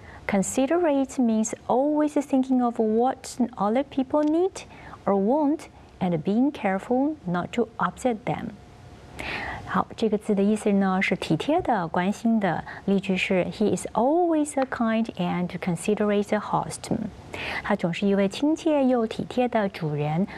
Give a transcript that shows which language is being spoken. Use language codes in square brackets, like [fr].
[en] considerate means always thinking of what other people need or want and being careful not to upset them。 [zh] 好，这个字的意思呢是体贴的、关心的。例句是 [en] He is always a kind and considerate host。 [zh] 他总是一位亲切又体贴的主人。